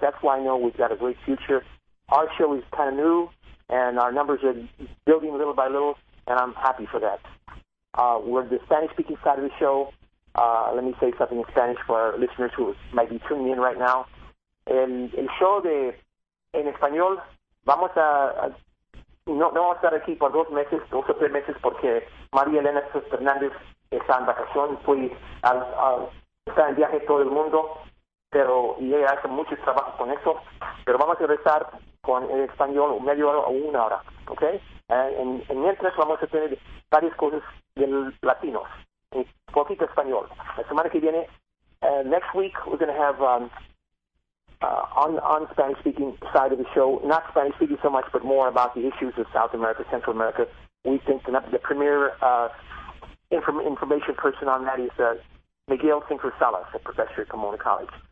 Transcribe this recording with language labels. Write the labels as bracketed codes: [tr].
[en] That's why I know we've got a great future. Our show is kind of new, and our numbers are building little by little, and I'm happy for that. We're the Spanish-speaking side of the show. Let me say something in Spanish for our listeners who might be tuning in right now. [es] El show de en español, vamos a no vamos a estar aquí por dos o tres meses porque María Elena Fernández está en vacación, fue al está en viaje todo el mundo. pero y ella hace mucho trabajo con eso, pero vamos a empezar con el español media hora o una hora, ¿ok? En mientras vamos a tener varias cosas del latino, un poquito español. La semana que viene, [en] next week, we're going to have on Spanish-speaking side of the show, not Spanish-speaking so much, but more about the issues of South America, Central America. We think the premier information person on that is Miguel Cinco Salas, a professor at Pomona College.